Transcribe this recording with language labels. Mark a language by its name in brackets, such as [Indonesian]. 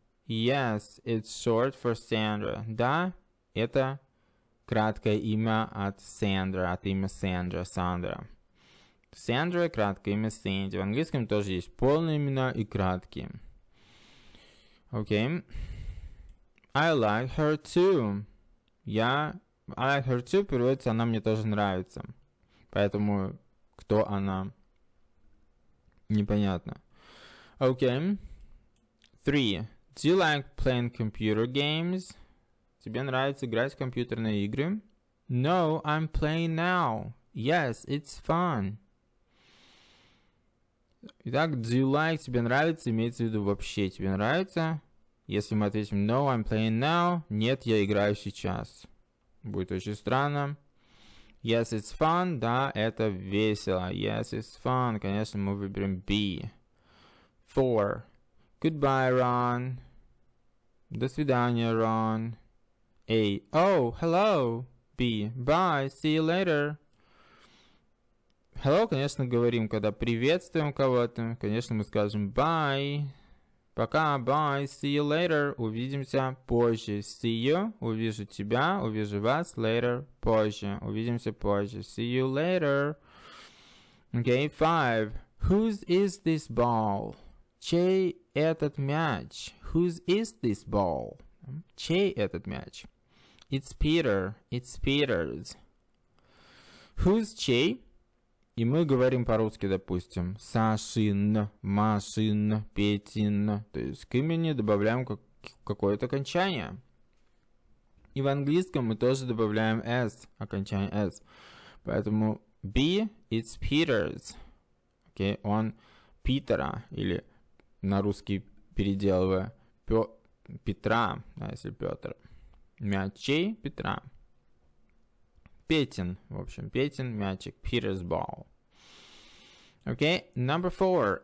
[English] Yes, it's short for Sandra. [Russian] Да, это краткое имя от Sandra, от имя Sandra, Sandra. Sandra, краткое имя Sandy. В английском тоже есть полные имена и краткие. [English] Окей. Okay. I like her too. I like her too, [Russian] переводится, она мне тоже нравится. Поэтому, кто она? Непонятно. Окей. [English] Okay. Three. Do you like playing computer games? [Russian] Тебе нравится играть в компьютерные игры? [English] No, I'm playing now. Yes, it's fun. [Russian] Итак, [English] do you like, [Russian] тебе нравится, имеется в виду вообще, тебе нравится? Если мы ответим [English] no, I'm playing now, [Russian] нет, я играю сейчас. Будет очень странно. [English] Yes, it's fun, [Russian] да, это весело. [English] Yes, it's fun, [Russian] конечно, мы выберем B. [English] Four. Goodbye, Ron. [Russian] До свидания, Ron. [English] A. Oh, hello. B. Bye, see you later. [Russian] Hello, конечно, говорим, когда приветствуем кого-то. Конечно, мы скажем bye. Пока, [English] bye, see you later. [Russian] Увидимся позже. See you. Увижу тебя, увижу вас later. Позже. Увидимся позже. [English] See you later. Okay, five. Whose is this ball? [Russian] Чей этот мяч? [English] Whose is this ball? [Russian] Чей этот мяч? [English] It's Peter. It's Peter's. Who's [Russian] чей? И мы говорим по-русски, допустим. Сашин, Машин, Петин. То есть к имени добавляем какое-то окончание. И в английском мы тоже добавляем S, окончание S. Поэтому [English] B, it's Peter's. [Russian] Окей, okay, он Питера или... На русский переделывая Петра, да, если Петр. Мячей Петра. Петин, в общем, Петин, мячик. [English] Peter's ball. Okay, number four.